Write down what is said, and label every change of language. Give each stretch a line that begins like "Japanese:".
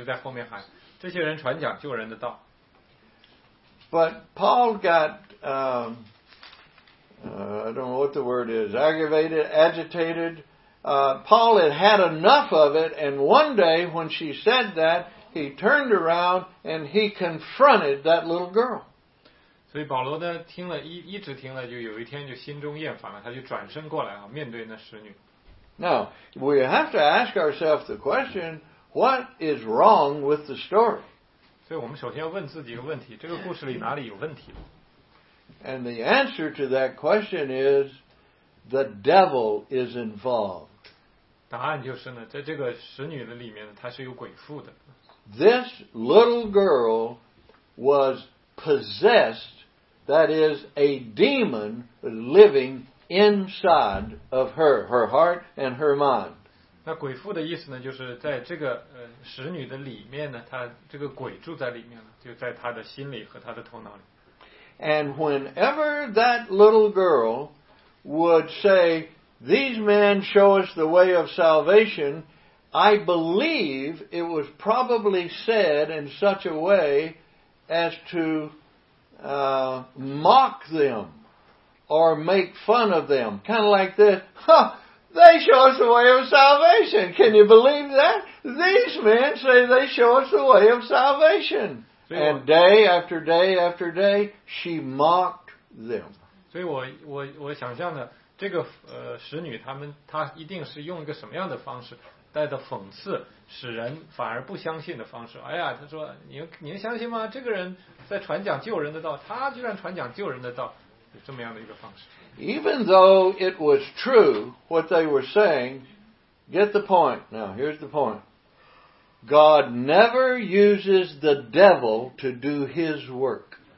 Chinese: 一天又一天啊,这个使女就在后面喊,这些人传讲救人的道。
English: But Paul got, I don't know what the word is, aggravated, agitated. Paul had had enough of it, and one day when she said that, he turned around and he confronted that little girl.
Chinese: 所以保罗呢,听了,一直听了,就有一天就心中厌烦了,他就转身过来,面对那使女。
English: Now, we have to ask ourselves the question, what is wrong with the story?
Chinese: 所以我们首先要问自己一个问题,这个故事里哪里有问题了?
English: And the answer to that question is, the devil is involved.
Chinese: 答案就是呢,在这个使女的里面,她是有鬼附的。
English: This little girl was possessed. That is a demon living inside of her, her heart and her mind.
Chinese: 那鬼附的意思呢,就是在这个使女的里面呢,她这个鬼住在里面了,就在她的心里和她的头脑里。
English: And whenever that little girl would say, these men show us the way of salvation, I believe it was probably said in such a way as to mock them or make fun of them. Kind of like this. Huh, they show us the way of salvation. Can you believe that? These men say they show us the way of salvation. And day after day after day, she mocked them.
Chinese: 所以我想象的这个使女她一定是用一个什么样的方式带着讽刺。使人反而不相信的方式。哎呀,他说,您相信吗?这个人在传讲救人的道,他居然传讲救人的道,这么样的一个方式。
English: Even though it was true what they were saying, get the point. Now, here's the point. God never uses the devil to do his work.